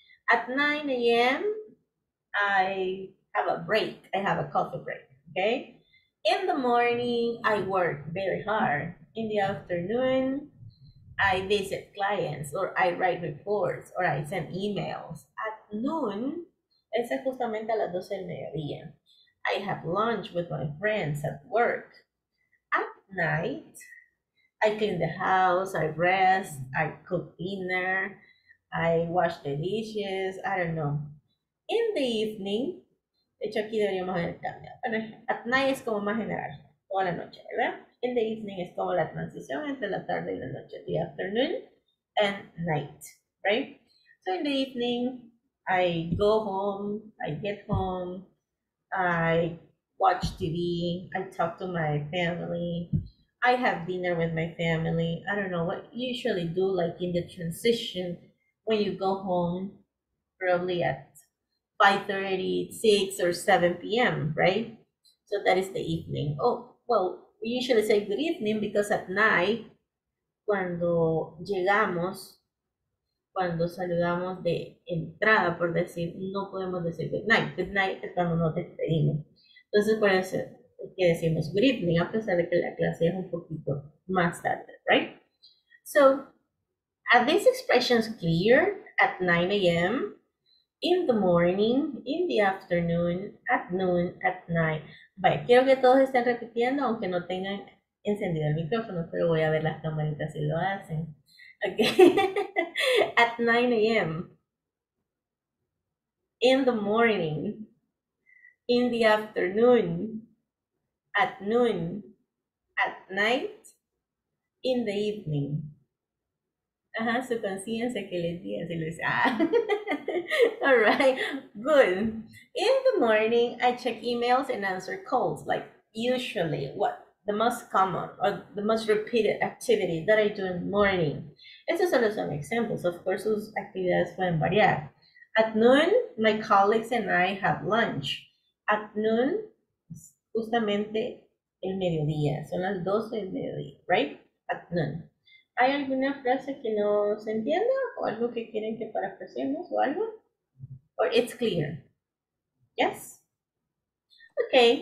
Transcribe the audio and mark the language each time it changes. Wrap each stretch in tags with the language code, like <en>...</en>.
<en>At 9 a.m., I have a break. I have a coffee break. Okay. In the morning, I work very hard. In the afternoon, I visit clients or I write reports or I send emails. At noon,</en> <es>ese es justamente a las 12 del mediodía.</es> <en>I have lunch with my friends at work. At night, I clean the house, I rest, I cook dinner, I wash the dishes, I don't know. In the evening,</en> <es>de hecho aquí deberíamos haber cambiado. Bueno,</es> <en>at night</en> <es>es como más general, toda la noche, ¿verdad?</es> <en>In the evening</en> <es>es como la transición entre la tarde y la noche,</es> <en>the afternoon and night, right? So in the evening, I go home, I get home, I watch TV, I talk to my family, I have dinner with my family. I don't know what you usually do like in the transition when you go home, probably at 5:30, 6 or 7 p.m., right? So that is the evening. Oh, well, we usually say good evening because at night,</en> <es>cuando llegamos, cuando saludamos de entrada, por decir, no podemos decir</es> <en>good night. Good night</en> <es>es cuando nos despedimos. Entonces, por eso es que decimos</es> <en>good evening,</en> <es>a pesar de que la clase es un poquito más tarde,</es> <en>right? So, are these expressions clear at 9 a.m.? In the morning, in the afternoon, at noon, at night.</en> <es>Vaya, quiero que todos estén repitiendo, aunque no tengan encendido el micrófono, pero voy a ver las camaritas si lo hacen.</es> <en>Okay. At 9 a.m. In the morning. In the afternoon, at noon, at night, in the evening.</en> <es>Ajá, su conciencia que les diga, se les ah.</es> <en>All right, good. In the morning, I check emails and answer calls, like usually what the most common or the most repeated activity that I do in the morning.</en> <es>Estos solo son examples.</es> <en>Of course,</en> <es>sus actividades pueden variar.</es> <en>At noon, my colleagues and I have lunch. At noon,</en> <es>justamente el mediodía, son las 12 del mediodía,</es> <en>right? At noon.</en> <es>¿Hay alguna frase que no se entienda o algo que quieren que parafrasemos o algo?</es> <en>Or it's clear. Yes? Okay.</en>